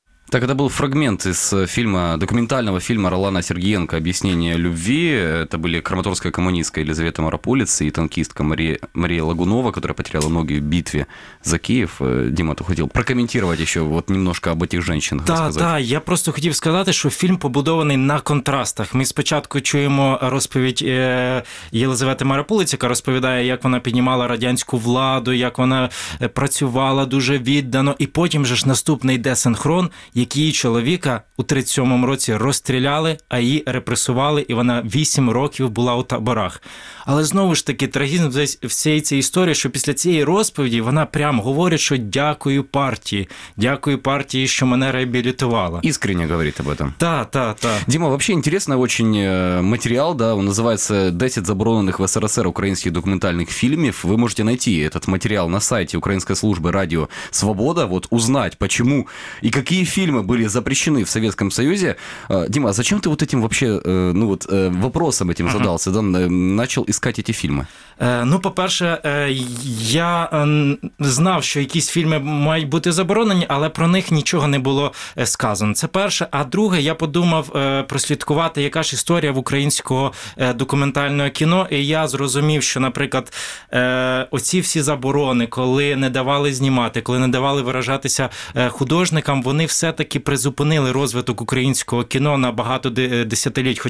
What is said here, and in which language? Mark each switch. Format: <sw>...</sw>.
<ru>Так, это был фрагмент из фильма, документального фильма Ролана Сергиенко «Объяснение любви». Это были краматорская коммунистка Елизавета Марапулец и танкистка Мария Лагунова, которая потеряла ноги в битве за Киев. Дима, ты хотел прокомментировать еще вот немножко об этих женщинах?</ru> <uk>Да, да, я просто хотів сказати, що фільм побудований на контрастах. Ми спочатку чуємо розповідь Єлизавети Марапулець, яка розповідає, як вона піднімала радянську владу, як вона працювала дуже віддано. І потім же ж наступний десинхрон – який чоловіка у 37-му році розстріляли, а її репресували, і вона 8 років була у таборах. Але знову ж таки, трагізм всієї цієї історії, що після цієї розповіді вона прям говорить, що дякую партії, що мене реабілітувала.</uk> <ru>Іскренне говорить об этом.</ru> <uk>Та, та, та. Діма, взагалі інтересний дуже матеріал, да, він називається «10 заборонених в СРСР українських документальних фільмів». Ви можете знайти цей матеріал на сайті Української служби радіо «Свобода», от узнати, чому і які</uk> <ru>фильмы были запрещены в Советском Союзе. Дима, а зачем ты вот этим вообще, ну вот, вопросом этим задался, да, начал искать эти фильмы?</ru> <uk>Ну, по-перше, я знав, що якісь фільми мають бути заборонені, але про них нічого не було сказано. Це перше. А друге, я подумав прослідкувати, яка ж історія в українського документального кіно, і я зрозумів, що, наприклад, оці всі заборони, коли не давали знімати, коли не давали виражатися художникам, вони все-таки призупинили розвиток українського кіно на багато десятиліть.</uk>